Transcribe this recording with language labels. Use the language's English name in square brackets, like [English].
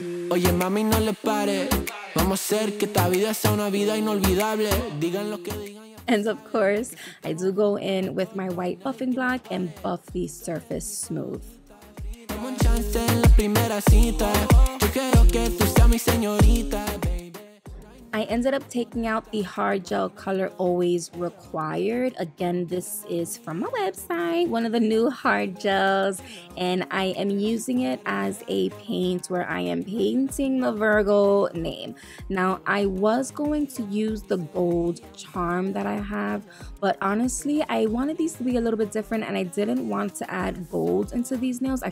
[Spanish] Oye, mami, no le pare. Vamos a hacer que esta vida sea una vida inolvidable. Digan lo que digan. [English] And of course, I do go in with my white buffing block and buff the surface smooth. [Spanish] Dame un chance en la primera cita. Yo quiero que tú seas mi señorita, baby. [English] I ended up taking out the hard gel color always required. Again, this is from my website, one of the new hard gels, and I am using it as a paint where I am painting the Virgo name. Now, I was going to use the gold charm that I have, but honestly, I wanted these to be a little bit different and I didn't want to add gold into these nails.